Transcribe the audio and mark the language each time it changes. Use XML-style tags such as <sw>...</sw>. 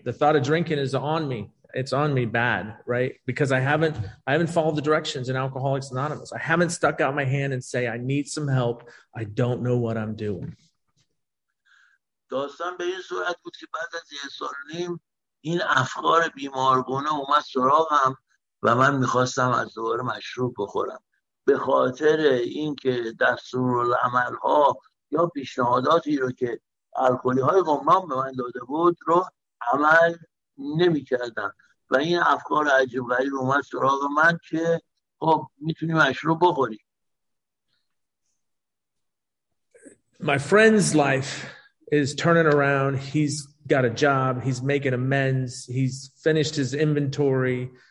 <en>The thought of drinking is on me. It's on me bad, right? Because I haven't followed the directions in Alcoholics Anonymous. I haven't stuck out my hand and say, I need some help. I don't know what I'm doing.</en> <fa>داستان به این صورت بود که بعد از یه سال نیم این افکار بیمارگونه اومد سراغم و من میخواستم از دوباره مشروب بخورم. به خاطر اینکه دستورالعمل‌ها یا پیشنهاداتی رو که الکلی‌های گمنام به من داده بود رو عمل نمی‌کردم و این افکار عجیب غریب اومد سراغ من که خب می‌تونی مشروب بخوری.</fa> <en>My friend's life is turning around. He's got a job, he's making amends, he's finished his inventory.</en>